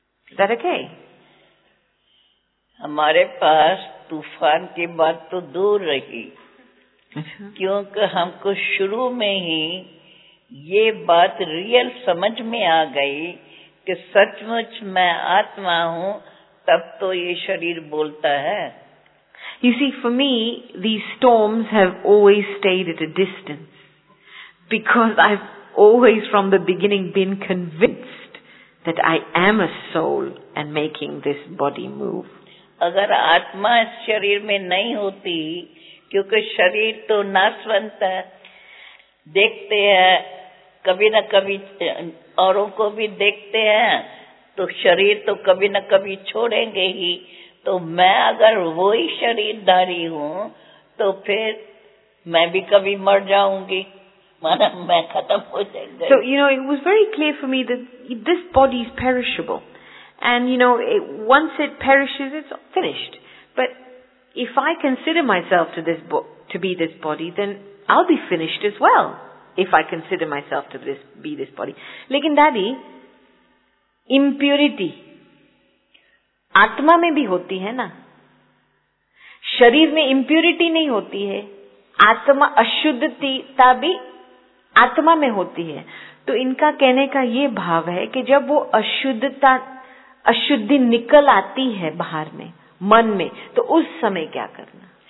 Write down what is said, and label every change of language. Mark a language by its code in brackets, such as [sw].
[en] Is that okay? [hi] हमारे पास तूफान की बात तो दूर रही क्योंकि हमको शुरू में ही ये बात रियल समझ में आ गई कि सचमुच मैं आत्मा हूँ तब तो ये शरीर बोलता है. [en] You see, for me, these storms have always stayed at a distance because I've always from the beginning been convinced that I am a soul and making this body move. [hi] अगर आत्मा इस शरीर में नहीं होती क्योंकि शरीर तो नाशवंत है देखते हैं कभी न कभी औरों को भी देखते हैं तो शरीर तो कभी न कभी छोड़ेंगे ही तो मैं अगर वो ही शरीरधारी हूँ तो फिर मैं भी कभी मर जाऊंगी माना मैं खत्म हो जाऊंगी. [en] So you know it was very clear for me that this body is perishable and you know it, once it perishes it's finished. But if I consider myself to this to be this body then I'll be finished as well if I consider myself to this be this body. [hi] लेकिन दादी impurity आत्मा में भी होती है ना. शरीर में इम्प्यूरिटी नहीं होती है आत्मा अशुद्धता भी आत्मा में होती है. तो इनका कहने का ये भाव है कि जब वो अशुद्धता अशुद्धि निकल आती है बाहर में मन में तो उस समय क्या करना?